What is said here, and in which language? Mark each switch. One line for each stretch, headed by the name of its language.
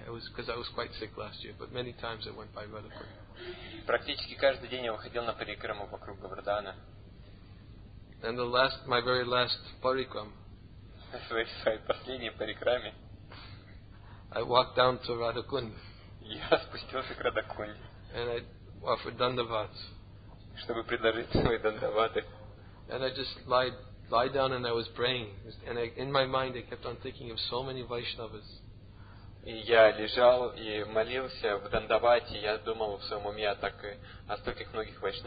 English: It was because I was quite sick last year, but many times I went by Radhapur.
Russian: Практически каждый день я выходил на парикраму вокруг Говардхана.
English: And the last, my very last парикрам.
Russian: Свой последний парикраме.
English: I walked down to Radhakund.
Russian: Я спустился к Радхакунде.
English: And I offered дандавад.
Russian: Чтобы предложить свои дандаваты.
English: And I just lie down and I was praying. And in my mind I kept on thinking of so many Vaishnavas.
Russian: И я лежал и молился в Дандавате, я думал в своем уме о стольких многих